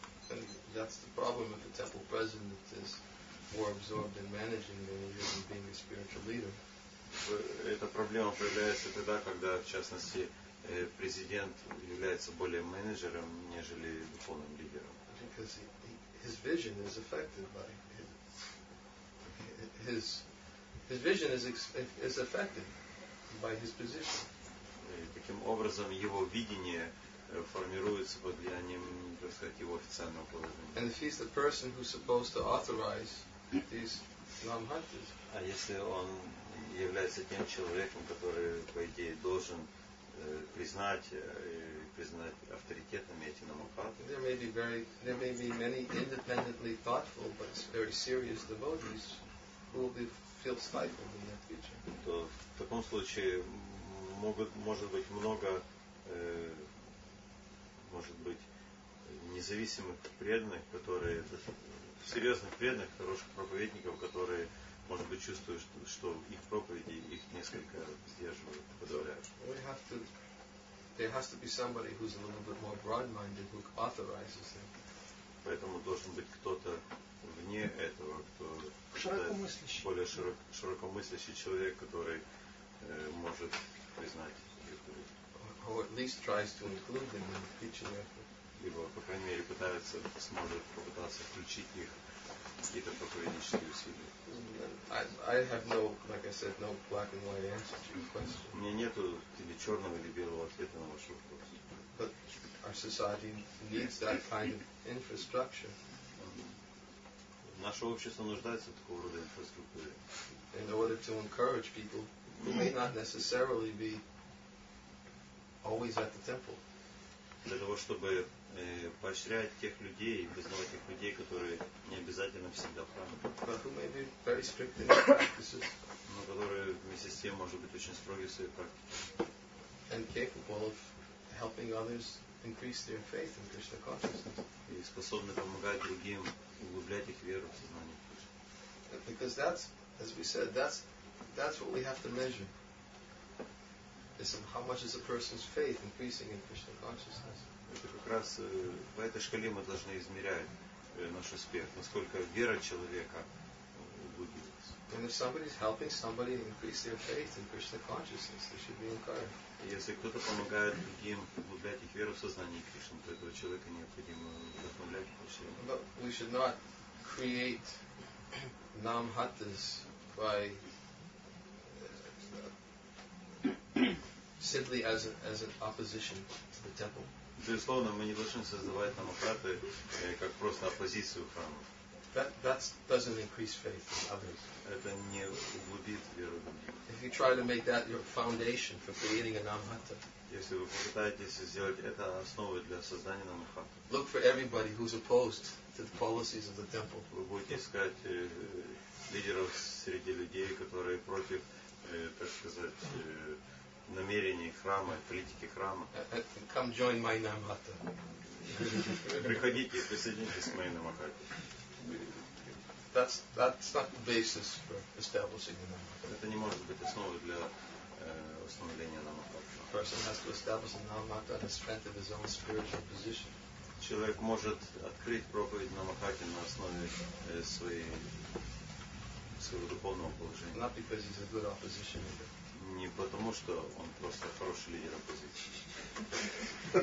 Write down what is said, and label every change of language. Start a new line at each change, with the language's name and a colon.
English: And that's the problem if the temple president is more absorbed in managing than he is in being a spiritual leader.
Russian: Эта проблема проявляется тогда, когда, в частности, президент является более менеджером, нежели духовным лидером.
English: Because his vision is affected by his vision is affected by his position.
Russian: Таким образом, его видение формируется под влиянием, так сказать, его официального положения.
English: And if he's the person who's supposed to authorize these namahatas.
Russian: А если он является тем человеком, который, по идее, должен признать авторитетными эти намахаты.
English: There may be many independently thoughtful but very serious devotees who will feel stifled in that future.
Russian: То в таком случае может быть много может быть независимых преданных, которые серьезных преданных, хороших проповедников, которые может быть чувствуют, что их проповеди их несколько сдерживают, подавляют.
English: There has to be somebody who's a little bit more broad-minded who authorizes him.
Russian: Поэтому должен быть кто-то вне этого, кто более широкомыслящий человек, который может признать их.
English: or at least tries to include them in the teaching effort.
Russian: Либо, по крайней мере, пытается, сможет попытаться включить их в какие-то проповеднические усилия.
English: I have no, like I said, no black and white answer to your question.
Russian: У меня нету или черного, или белого ответа на ваш вопрос.
English: But our society needs that kind of infrastructure.
Russian: Наше общество нуждается в такого рода инфраструктуре.
English: In order to encourage people who may not necessarily be always at the temple.
Russian: Для того, чтобы поощрять тех людей, признавать тех людей, которые не обязательно всегда в храме.
English: But who may be very strict in their practices.
Russian: Но которые вместе с тем может быть очень строги в своей практике.
English: And capable of helping others increase their faith in Krishna consciousness.
Russian: И способны помогать другим углублять их веру в сознание.
English: Because that's, as we said, that's what we have to measure. Is how much is a person's faith increasing in Krishna consciousness?
Russian: Это как раз по этой шкале мы должны измерять наш успех, насколько вера человека углубилась.
English: And if somebody is helping somebody increase their faith in Krishna consciousness, they should be encouraged.
Russian: Если кто-то помогает другим углублять их веру в сознание Кришны, то этого человека необходимо вдохновлять поощрять.
English: But we should not create namhattas by simply as an opposition to the temple.
Russian: Безусловно, мы не должны создавать намхаты как просто оппозицию храму.
English: That doesn't increase faith in others.
Russian: Это не углубит веру в других.
English: If you try to make that your foundation for creating a namhata,
Russian: если вы попытаетесь сделать это основой для создания намхаты,
English: look for everybody who's opposed to the policies of the temple.
Russian: Вы будете искать лидеров среди людей, которые против, так сказать, намерений храма, политики храма.
English: Come join my namhata.
Russian: Приходите, присоединитесь к моей намхате.
English: That's not the basis for establishing the namhata.
Russian: Это не может быть основой для установления намхата.
English: Person has to establish the namhata on the strength of his own spiritual position.
Russian: Человек может открыть проповедь намхате на основе своего духовного положения.
English: Not because he's a good opposition leader.
Russian: Не потому, что он просто хороший лидер оппозиции.